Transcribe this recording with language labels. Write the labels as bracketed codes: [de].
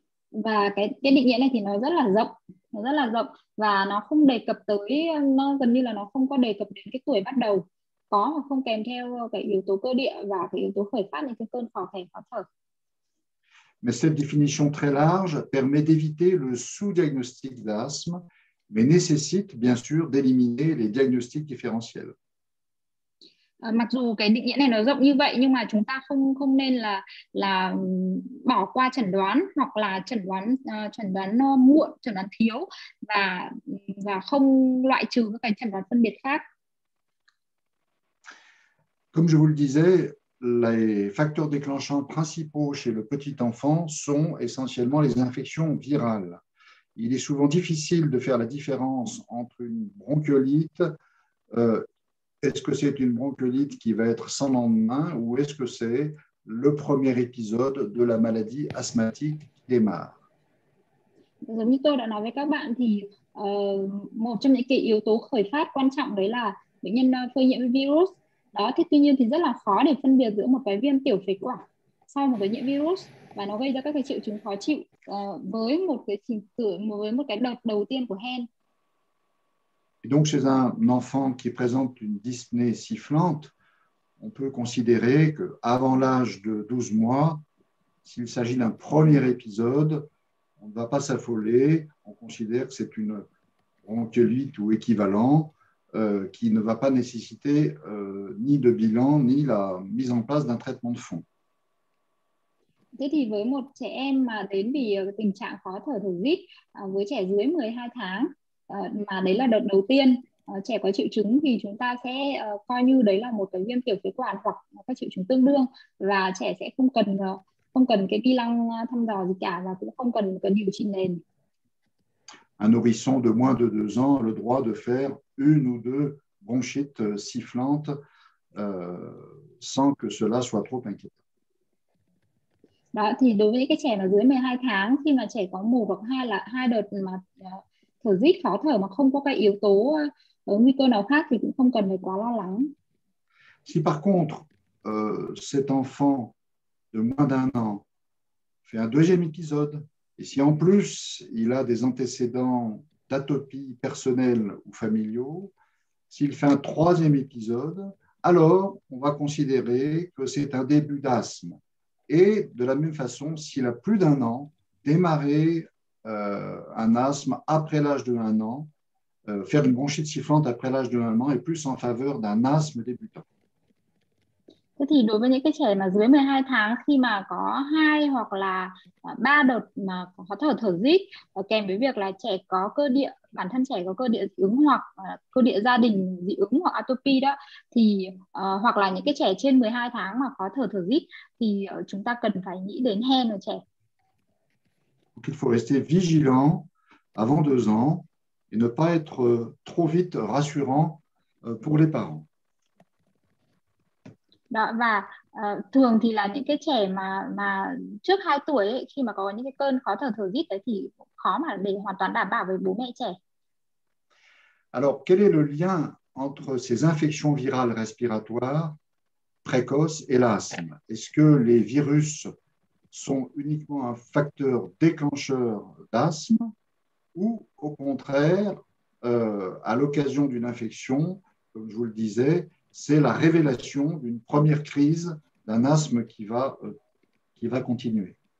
[vi] Và cái định nghĩa này thì nó rất là rộng, và nó không đề cập tới, nó gần như là nó không có đề cập đến cái tuổi bắt đầu có hoặc không kèm theo cái yếu tố cơ địa và cái yếu tố khởi phát những cái cơn khó khè khó thở. [fr] Mais cette définition très large permet d'éviter le sous-diagnostic d'asthme, mais nécessite bien sûr d'éliminer les diagnostics différentiels. [vi] Mặc dù cái định nghĩa này nó rộng như vậy nhưng mà chúng ta không không nên là bỏ qua chẩn đoán hoặc là chẩn đoán muộn, chẩn đoán thiếu và không loại trừ các cái chẩn đoán phân biệt khác. [fr] Comme je vous le disais, les facteurs déclenchants principaux chez le petit enfant sont essentiellement les infections virales. Il est souvent difficile de faire la différence entre une bronchiolite, est-ce que c'est une bronchiolite qui va être sans lendemain ou est-ce que c'est le premier épisode de la maladie asthmatique qui démarre? [vi] Giống như tôi đã nói với các bạn thì một trong những cái yếu tố khởi phát quan trọng đấy là bệnh nhân phơi nhiễm virus đó. Thì tuy nhiên thì rất là khó để phân biệt giữa một cái viêm tiểu phế quản sau một cái nhiễm virus và nó gây ra các cái triệu chứng khó chịu với một cái trình tự với một cái đợt đầu tiên của hen. [fr] Donc, chez un enfant qui présente une dyspnée sifflante, on peut considérer qu'avant l'âge de 12 mois, s'il s'agit d'un premier épisode, on ne va pas s'affoler, on considère que c'est une bronchiolite ou équivalent qui ne va pas nécessiter ni de bilan ni la mise en place d'un traitement de fond. [vi] Thế thì với một trẻ em mà đến vì tình trạng khó thở thủ dít với trẻ dưới 12 tháng mà đấy là đợt đầu tiên trẻ có triệu chứng thì chúng ta sẽ coi như đấy là một cái viêm tiểu phế quản hoặc các triệu chứng tương đương và trẻ sẽ không cần cái vi lăng thăm dò gì cả và cũng không cần cần điều trị nền. [fr] Un nourrisson de moins de 2 ans a le droit de faire une ou deux bronchites sifflantes sans que cela soit trop inquiétant. [vi] Đó thì đối với cái trẻ mà dưới 12 tháng khi mà trẻ có một hoặc hai là hai đợt mà thở dít khó thở mà không có cái yếu tố nguy cơ nào khác thì cũng không cần phải quá lo lắng. [fr] Si par contre cet enfant de moins d'1 an fait un deuxième épisode, et si en plus il a des antécédents d'atopie personnelle ou familiaux, s'il fait un troisième épisode, alors on va considérer que c'est un début d'asthme. Et de la même façon, s'il a plus d'1 an, démarrer un asthme après l'âge de 1 an, faire une bronchite sifflante après l'âge de 1 an est plus en faveur d'un asthme débutant. [vi] Thế thì đối với những cái trẻ mà dưới 12 tháng khi mà có hai hoặc là ba đợt mà có khó thở thở dít và kèm với việc là trẻ có cơ địa bản thân trẻ có cơ địa dị ứng hoặc cơ địa gia đình dị ứng hoặc atopy đó thì hoặc là những cái trẻ trên 12 tháng mà khó thở thở dít thì chúng ta cần phải nghĩ đến hen ở trẻ. [fr] Il faut rester vigilant avant 2 ans et ne pas être trop vite rassurant pour les parents. [vi] Đó, và thường thì là những cái trẻ mà trước 2 tuổi ấy, khi mà có những cái cơn khó thở thở dít đấy thì khó mà để hoàn toàn đảm bảo với bố mẹ trẻ. [fr] Alors, quel est le lien entre ces infections virales respiratoires précoces et l'asthme? Est-ce que les virus sont uniquement un facteur déclencheur d'asthme ou au contraire, à l'occasion d'une infection, comme je vous le disais, c'est la révélation d'une première crise d'un asthme qui va continuer.